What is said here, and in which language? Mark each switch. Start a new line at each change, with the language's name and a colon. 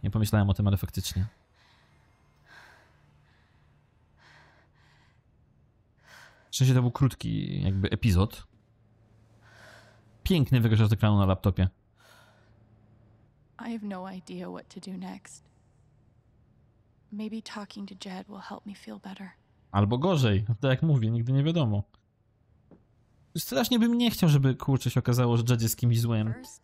Polish: Nie pomyślałem o tym, ale faktycznie. W sensie to był krótki jakby epizod. Piękny wygrzeż ekranu na laptopie.
English: I have no idea what to do next. Maybe talking to Jed will help me feel better.
Polish: Albo gorzej, tak jak mówię, nigdy nie wiadomo. Strasznie bym nie chciał, żeby kurczę się okazało, że Jed jest kimś złym.